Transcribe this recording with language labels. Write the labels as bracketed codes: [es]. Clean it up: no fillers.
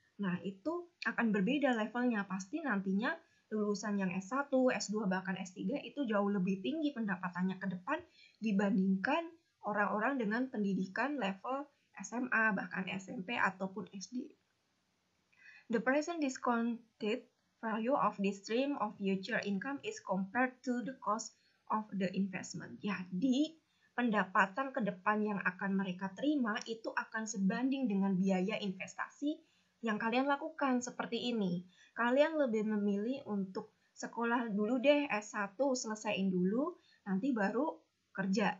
[id] Nah, itu akan berbeda levelnya, pasti nantinya lulusan yang S1, S2, bahkan S3 itu jauh lebih tinggi pendapatannya ke depan dibandingkan orang-orang dengan pendidikan level SMA, bahkan SMP, ataupun SD. [en] The present discounted value of this stream of future income is compared to the cost of the investment. [id] Jadi, pendapatan ke depan yang akan mereka terima itu akan sebanding dengan biaya investasi yang kalian lakukan seperti ini. Kalian lebih memilih untuk sekolah dulu deh, S1, selesaiin dulu, nanti baru kerja.